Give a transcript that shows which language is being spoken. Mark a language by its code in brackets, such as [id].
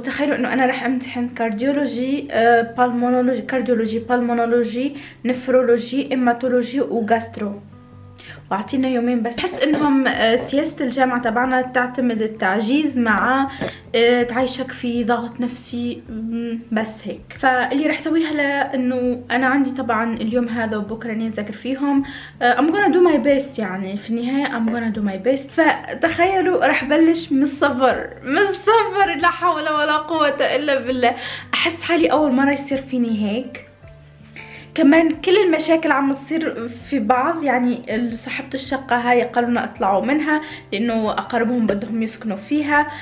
[ar] تخيلوا انه انا راح امتحن كارديولوجي بالمونولوجي كارديولوجي بالمونولوجي نفرولوجي اماتولوجي وغاسترو واعطينا يومين بس. بحس انهم سياسه الجامعه تبعنا تعتمد التعجيز مع تعيشك في ضغط نفسي بس هيك. فاللي رح سويه هلا انه انا عندي طبعا اليوم هذا وبكره اني اذاكر فيهم. [en] I'm gonna do my best يعني في النهايه I'm gonna do my best. [ar] فتخيلوا رح بلش من الصبر لا حول ولا قوه الا بالله. احس حالي اول مره يصير فيني هيك. كمان كل المشاكل عم تصير في بعض. يعني صاحبة الشقة هاي قالونا اطلعوا منها لانه اقربهم بدهم يسكنوا فيها.